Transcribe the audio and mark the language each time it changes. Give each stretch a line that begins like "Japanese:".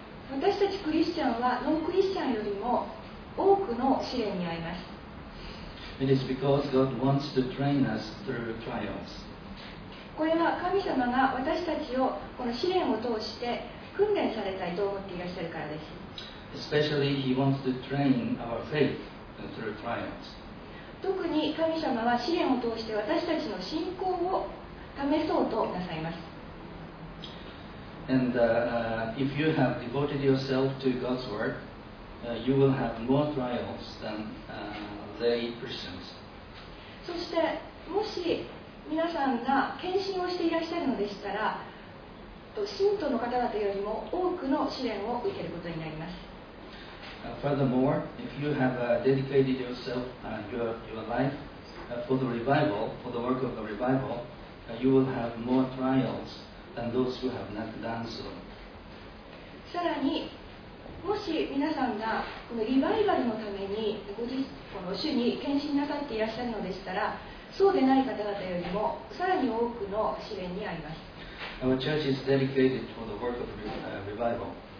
Japanese: 私たちクリスチャンはノンクリスチャンよりも多くの試練に遭います。
English: It is because God wants to train us through trials.
Japanese: これは神様が私たちをこの試練を通して訓練されたいと思っていらっしゃるからです。
English: Especially He wants to train our faith through trials.
Japanese: 特に神様は試練を通して私たちの信仰を試そうとなさいます。
English: And if you have devoted yourself to God's word, you will have more trials than lay Christians.
Japanese: そしてもし皆さんが献身をしていらっしゃるのでしたら、信徒の方々よりも多くの試練を受けることになります。
English: Furthermore, if you have dedicated yourself your life for the revival, for the work of the revival, you will have more trials. And those who have not done so.
Japanese: さらにもし皆さんがこのリバイバルのためにご自身の主に献身なさっていらっしゃるのでしたら、そうでない方々よりもさらに多くの試練にあります。
English: Our church is dedicated for the work of revival.